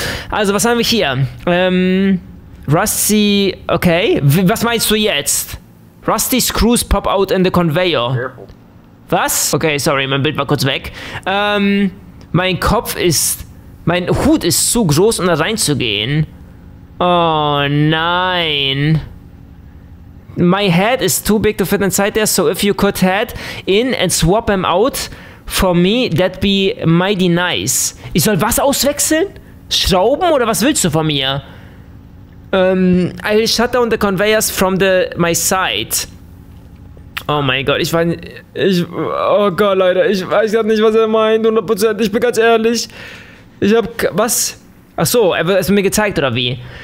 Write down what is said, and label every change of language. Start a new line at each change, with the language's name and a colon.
German: Also was haben wir hier? Rusty... Okay, was meinst du jetzt?
English: Rusty screws pop out in the conveyor. Careful.
German: Was? Okay, sorry, mein Bild war kurz weg. Mein Kopf ist... Mein Hut ist zu groß, um da reinzugehen. Oh, nein.
English: My head is too big to fit inside there, so if you could head in and swap him out for me, that'd be mighty nice.
German: Ich soll was auswechseln? Schrauben oder was willst du von mir?
English: I'll shut down the conveyors from the my side.
German: Oh mein Gott, ich weiß nicht. Oh Gott, Leute, ich weiß gerade nicht, was er meint. 100%. Ich bin ganz ehrlich. Ich hab. Was? Ach so, er hat es mir gezeigt, oder wie?